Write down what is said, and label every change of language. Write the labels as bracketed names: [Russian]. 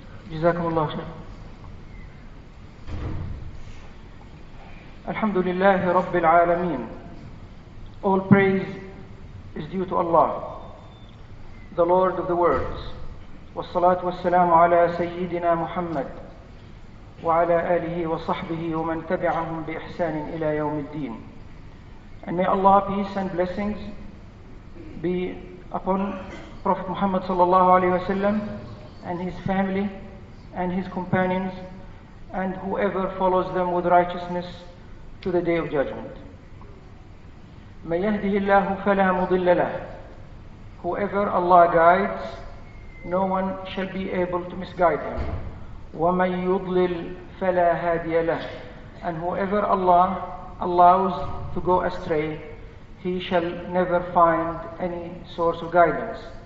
[English] Jazakumullah, Shaykh. [Arabic] الحمد لله رب العالمين. [English] All praise is due to Allah, the Lord of the worlds. [Arabic] والصلاة والسلام على سيدنا محمد وعلى آله وصحبه ومن تبعهم بإحسان إلى يوم الدين. [English] And may Allah peace and blessings be upon Prophet Muhammad صلى الله عليه وسلم and his family and his companions and whoever follows them with righteousness to the Day of Judgment. [Arabic] مَنْ يَهْدِهِ اللَّهُ فَلَا مُضِلَّ لَهُ. [English] Whoever Allah guides, no one shall be able to misguide him. [Arabic] وَمَنْ يُضْلِلْ فَلَا هَادِيَ لَهُ. [English] And whoever Allah allows to go astray, he shall never find any source of guidance.